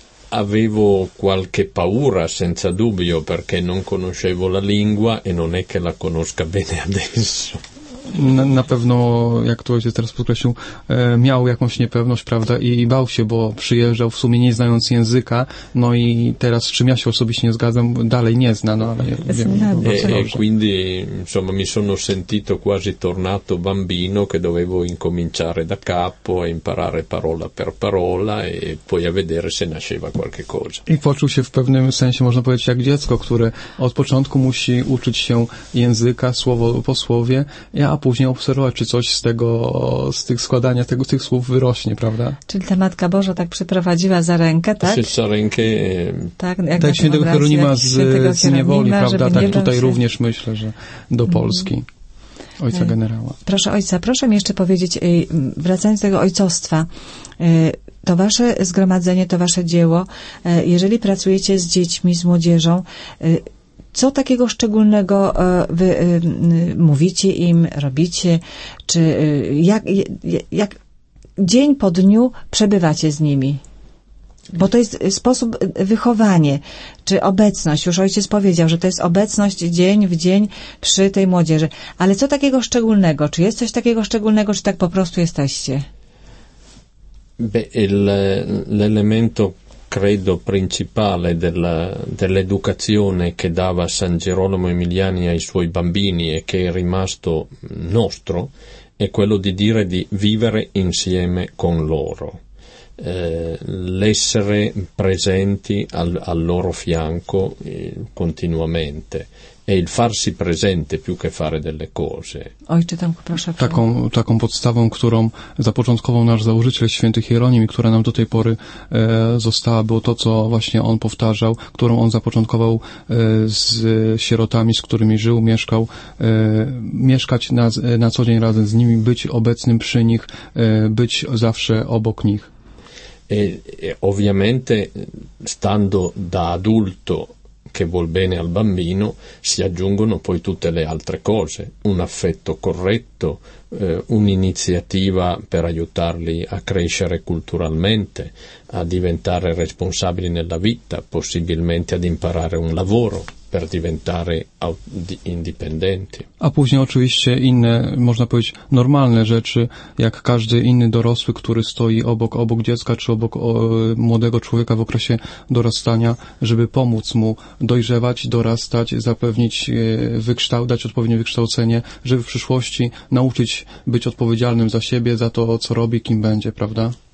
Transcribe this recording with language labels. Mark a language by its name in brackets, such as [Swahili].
[Italian] Avevo qualche paura, senza dubbio, perché non conoscevo la lingua e non è che la conosca bene adesso. [Polish] Na pewno, jak to się teraz podkreślił, miał jakąś niepewność, prawda, i bał się, bo przyjeżdżał w sumie nie znając języka, no i teraz, z czym ja się osobiście nie zgadzam, dalej nie zna, no ale wiem. [Italian] Quindi, insomma, mi sono sentito quasi tornato bambino che dovevo incominciare da capo a imparare parola per parola e poi a vedere se nasceva qualche cosa. [Polish] I poczuł się w pewnym sensie, można powiedzieć, jak dziecko, które od początku musi uczyć się języka słowo po słowie, a później obserwować, czy coś z tych słów wyrośnie, prawda? Czyli ta Matka Boża tak przyprowadziła za rękę, tak? Za rękę. Tak, tak świętego Hieronima z niewoli, prawda? Tak, tutaj również myślę, że do Polski. Ojca generała. Proszę ojca, proszę mi jeszcze powiedzieć, wracając do tego ojcostwa, to wasze zgromadzenie, to wasze dzieło, jeżeli pracujecie z dziećmi, z młodzieżą, co takiego szczególnego wy mówicie im, robicie? Czy jak dzień po dniu przebywacie z nimi? Bo to jest sposób wychowanie, czy obecność. Już ojciec powiedział, że to jest obecność dzień w dzień przy tej młodzieży. Ale co takiego szczególnego? Czy jest coś takiego szczególnego, czy tak po prostu jesteście? [Italian] L'elemento credo principale dell'educazione che dava San Gerolamo Emiliani ai suoi bambini e che è rimasto nostro è quello di dire di vivere insieme con loro, l'essere presenti al loro fianco continuamente. E il farsi presente più che fare delle cose. [Polish] Ojcze, Tomku, proszę. Taką podstawą, którą zapoczątkował nasz założyciel święty Hieronim i która nam do tej pory została, było to, co właśnie on powtarzał, którą on zapoczątkował z sierotami, z którymi żył, mieszkał, mieszkać na co dzień razem z nimi, być obecnym przy nich, być zawsze obok nich. [Italian] E ovviamente, stando da adulto, che vuol bene al bambino, si aggiungono poi tutte le altre cose, un affetto corretto, un'iniziativa per aiutarli a crescere culturalmente, a diventare responsabili nella vita, possibilmente ad imparare un lavoro per diventare indipendenti. [Polish] A później oczywiście inne, można powiedzieć, normalne rzeczy, jak każdy inny dorosły, który stoi obok dziecka, czy obok młodego człowieka w okresie dorastania, żeby pomóc mu dojrzewać, dorastać, zapewnić dać odpowiednie wykształcenie, żeby w przyszłości nauczyć być odpowiedzialnym za siebie, za to, co robi, kim będzie, prawda?